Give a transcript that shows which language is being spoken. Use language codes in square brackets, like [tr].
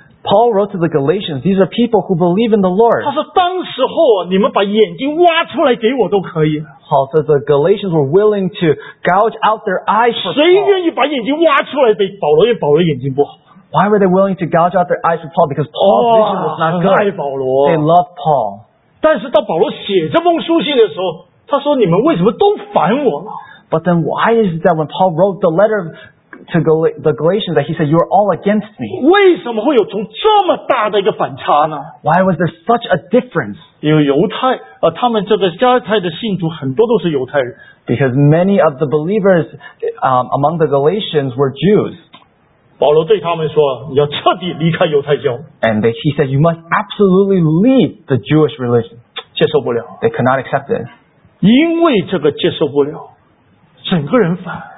[en] Paul wrote to the Galatians, these are people who believe in the Lord. [zh] 他说当时候你们把眼睛挖出来给我都可以。 [en] Paul says the Galatians were willing to gouge out their eyes for Paul. [zh] 谁愿意把眼睛挖出来给保罗,因为保罗眼睛不好。 [en] Why were they willing to gouge out their eyes for Paul? Because Paul's vision was not good. [zh] 爱保罗。 [en] They loved Paul. [zh] 但是当保罗写这封书信的时候,他说你们为什么都烦我了。 [en] But then why is it that when Paul wrote the letter to the Galatians that he said, you are all against me? [zh] 为什么会有从这么大的一个反差呢? [en] Why was there such a difference? [zh] 因为犹太, 他们这个加拉太的信徒很多都是犹太人。 [en] Because many of the believers among the Galatians were Jews. [zh] 保罗对他们说, 你要彻底离开犹太教。 [en] And he said, you must absolutely leave the Jewish religion. [zh] 接受不了。 [en] They could not accept it. [zh] 因为这个接受不了, 整个人反,